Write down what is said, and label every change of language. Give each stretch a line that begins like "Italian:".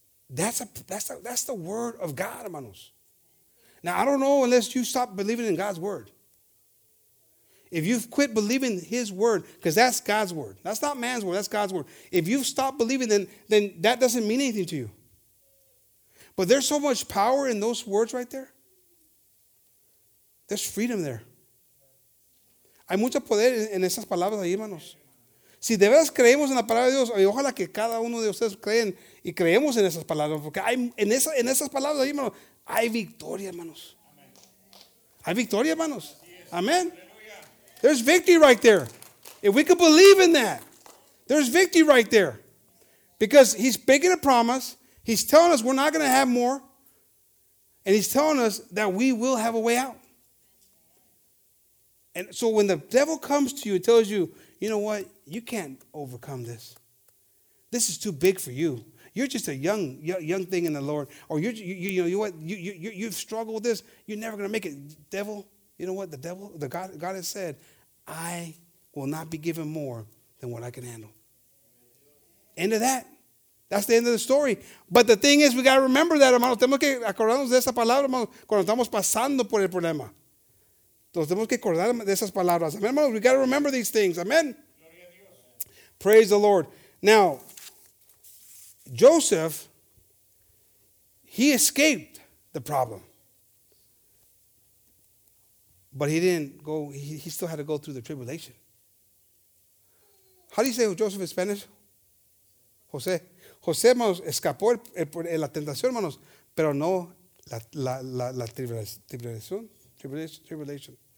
English: That's the word of God, hermanos. Now, I don't know unless you stop believing in God's word. If you've quit believing his word, because that's God's word. That's not man's word. That's God's word. If you've stopped believing, then that doesn't mean anything to you. But there's so much power in those words right there. There's freedom there.
Spanish: Hay mucho poder en esas palabras ahí, hermanos. Si de verdad creemos en la palabra de Dios, ojalá que cada uno de ustedes creen y creemos en esas palabras. Porque en esas palabras ahí, hermanos, hay victoria, hermanos. Hay victoria, hermanos. Amén.
English: There's victory right there. If we could believe in that, there's victory right there. Because he's making a promise. He's telling us we're not going to have more. And he's telling us that we will have a way out. And so when the devil comes to you and tells you, you know what? You can't overcome this. This is too big for you. You're just a young thing in the Lord. Or you've struggled with this. You're never going to make it. Devil. You know what? God has said, I will not be given more than what I can handle. End of that. That's the end of the story. But the thing is, we got to remember that, hermanos.
Spanish: Tenemos que acordarnos de esa palabra, hermanos, cuando estamos pasando por el problema. Entonces, tenemos que acordar de esas palabras. Amen, hermanos.
English: We got to remember these things. Amen. Praise the Lord. Now, Joseph, he escaped the problem. But he didn't go, he still had to go through the tribulation. How do you say Joseph in Spanish? Jose.
Spanish: Jose, hermanos, escapó la tentación, hermanos, pero no la tribulation.